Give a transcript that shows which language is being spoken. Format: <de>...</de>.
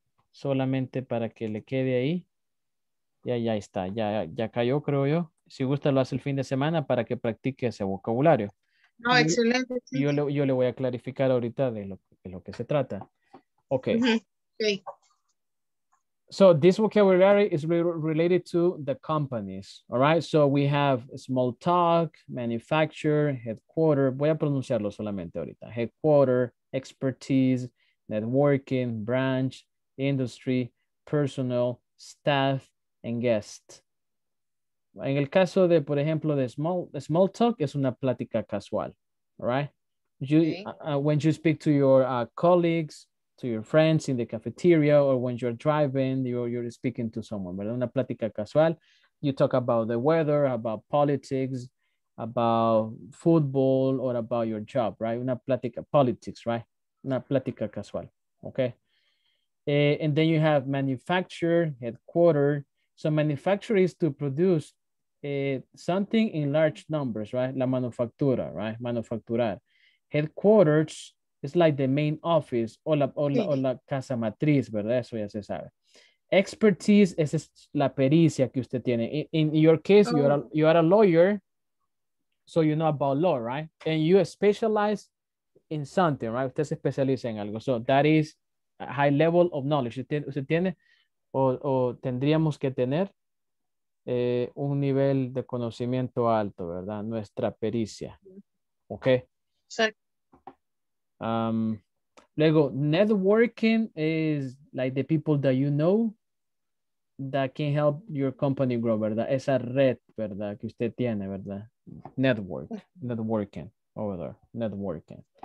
<es>Solamente para que le quede ahí. Y ahí está, ya cayó, creo yo. Si gusta, lo hace el fin de semana para que practique ese vocabulario. No, y, excelente. Sí. Yo le voy a clarificar ahorita de lo que se trata. Ok. Uh-huh.</es> <en>Okay. So this vocabulary is related to the companies, all right? So we have small talk, manufacturer, headquarter.</en> <es>Voy a pronunciarlo solamente ahorita.</es> <en>Headquarter, expertise, networking, branch, industry, personal, staff, and guest.</en> <es>En el caso de, por ejemplo, de small talk, es una plática casual,</es> <en>all right? You, when you speak to your colleagues, to your friends in the cafeteria, or when you're driving, you're speaking to someone,</en> <es>¿verdad? Una plática casual.</es> <en>You talk about the weather, about politics, about football, or about your job, right?</en> <es>Una plática, politics,</es> <en>right?</en> <es>Una plática casual, okay?</es> <en>And then you have manufacturer, headquarter. So manufacturer is to produce something in large numbers, right?</en> <es>La manufactura, right? Manufacturar. Headquarters,</es> <en>it's like the main office</en> <es>o la casa matriz, ¿verdad? Eso ya se sabe. Expertise, esa es la pericia que usted tiene.</es> <en>In your case, you are a lawyer, so you know about law, right? And you specialize in something, right?</en> <es>Usted se especializa en algo.</es> <en>So that is a high level of knowledge.</en> <es>Usted tiene o tendríamos que tener un nivel de conocimiento alto, ¿verdad? Nuestra pericia. Ok. Exacto. Luego,</es> <en>networking is like the people that you know that can help your company grow,</en> <es>¿verdad? Esa red, ¿verdad? Que usted tiene, ¿verdad?</es> <en>Networking over there, networking.</en>